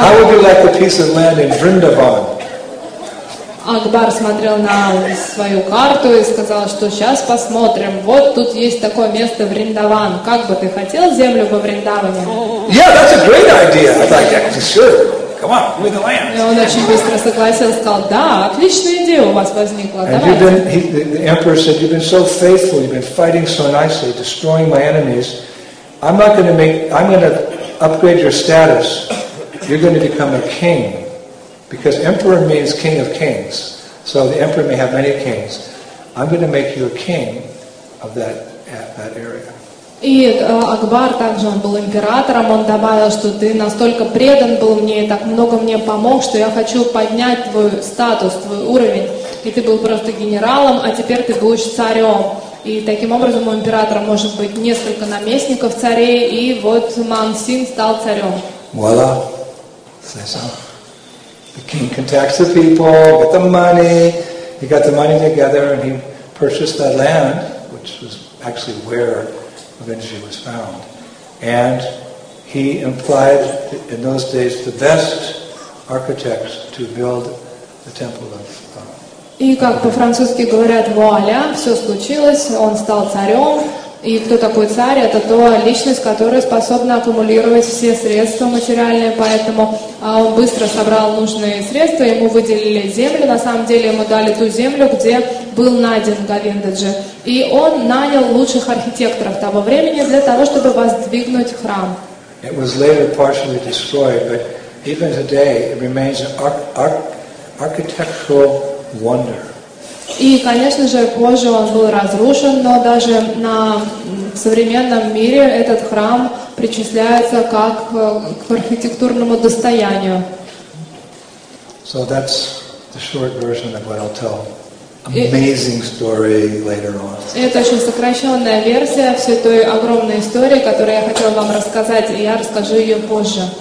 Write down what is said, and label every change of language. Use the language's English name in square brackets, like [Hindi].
[English] How would you like the piece of land in Vrindavan? [Russian] Акбар смотрел на свою карту и сказал, что сейчас посмотрим. Вот тут есть такое место в Вриндаван. Как бы ты хотел землю во Вриндаване? [English] Yeah, that's a great idea. I thought, yeah, sure. Come on, with the land. [Russian] И он очень быстро согласился, сказал: да, отличная идея у вас возникла. Давайте. [English] And the emperor said, you've been so faithful, you've been fighting so nicely, destroying my enemies. I'm going to upgrade your status. You're going to become a king. Because emperor means king of kings, so the emperor may have many kings. I'm going to make you a king of that area. [Russian] И Акбар также, он был императором, он добавил, что ты настолько предан был мне и так много мне помог, что я хочу поднять твой статус, твой уровень, и ты был просто генералом, а теперь ты будешь царем. И таким образом у императора может быть несколько наместников царей, и вот Мансин стал царем. [French] Voilà, c'est ça. [English] The king can tax the people, get the money. He got the money together and he purchased that land, which was actually where Avinji was found. And he employed, in those days, the best architects to build the temple of [Russian] И как по-французски говорят, вуаля, все случилось, он стал царем. И кто такой царь? Это та личность, которая способна аккумулировать все средства материальные, поэтому он быстро собрал нужные средства, ему выделили землю, на самом деле ему дали ту землю, где был найден Говиндаджи. И он нанял лучших архитекторов того времени для того, чтобы воздвигнуть храм. [English] It was later partially destroyed, but even today it remains an architectural wonder. [Russian] И, конечно же, позже он был разрушен, но даже на современном мире этот храм причисляется как к архитектурному достоянию. [English] So that's the short version of what I'll tell. Amazing story later on. [Russian] Это очень сокращенная версия всей той огромной истории, которую я хотела вам рассказать, и я расскажу ее позже.